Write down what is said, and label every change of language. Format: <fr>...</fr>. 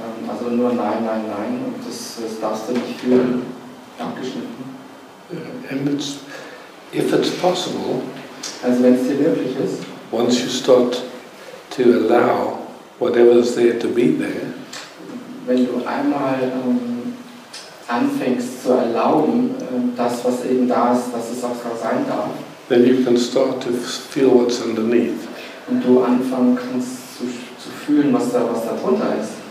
<de>Also nur nein, nein, nein, und das darfst du nicht fühlen, abgeschnitten.</de> <en>And it's, if it's possible,</en> <de>also wenn es dir möglich ist,</de> <en>once you start to allow whatever is there to be there,</en> <de>wenn du einmal anfängst zu erlauben, das, was eben da ist, dass es auch sein darf,</de> <en>then you can start to feel what's underneath.</en> <de>Und du anfangen kannst zu fühlen, was da drunter ist.</de>